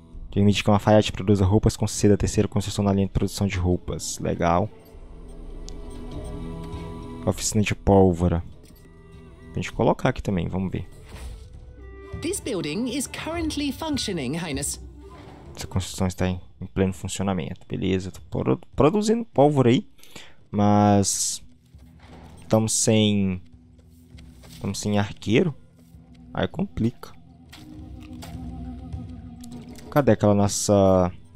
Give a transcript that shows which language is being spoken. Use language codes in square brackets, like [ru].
[pt] Permite que uma faiate produza roupas com seda. Terceira construção na linha de produção de roupas. Legal. Oficina de pólvora. A gente colocar aqui também, vamos ver. [en] This building is currently functioning, Highness. [pt] Essa construção está em pleno funcionamento. Beleza, estou produzindo pólvora aí. Mas estamos sem arqueiro. Aí complica. Cadê aquela nossa.